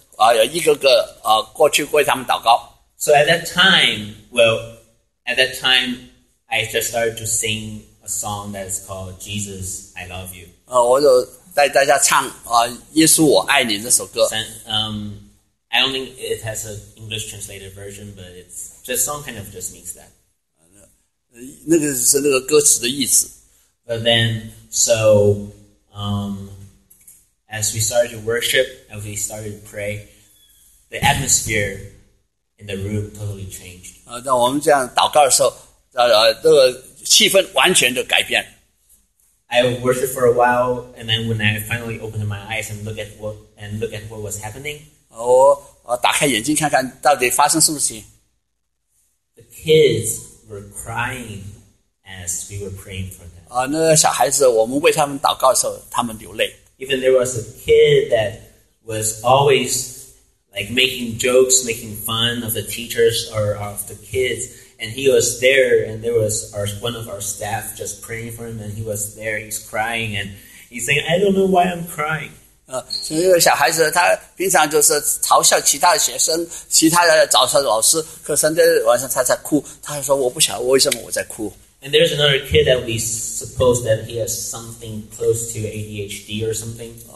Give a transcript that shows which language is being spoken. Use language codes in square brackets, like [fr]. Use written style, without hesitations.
[zh] 我们有同工的话，就为这些小孩子一个个过去为他们祷告。 [en] So at that time, I just started to sing a song that is called Jesus, I Love You. [zh] 我就带大家唱耶稣我爱你这首歌。 [en] I don't think it has an English translated version, but it's just song kind of just means that. [zh] 那个是那个歌词的意思。 [en] But then, so, as we started to worship, as we started to pray, the atmosphere in the room totally changed. [zh] 那我们这样祷告的时候, 这个气氛完全的改变。 [en] I worshiped for a while, and then when I finally opened my eyes and look at what was happening, [zh] 我打开眼睛看看到底发生什么事情。 [en] The kids were crying as we were praying for them. [zh] 那个小孩子, 我们为他们祷告的时候, 他们流泪。 [en] Even there was a kid that was always like making jokes, making fun of the teachers or of the kids, and he was there, and there was one of our staff just praying for him, and he was there, he's crying, and he's saying, I don't know why I'm crying. [zh] 所以那个小孩子他平常就是嘲笑其他的学生其他的早上老师可是那天晚上他在哭他说我不晓得为什么我在哭 [en] And there's another kid that we suppose that he has something close to ADHD or something.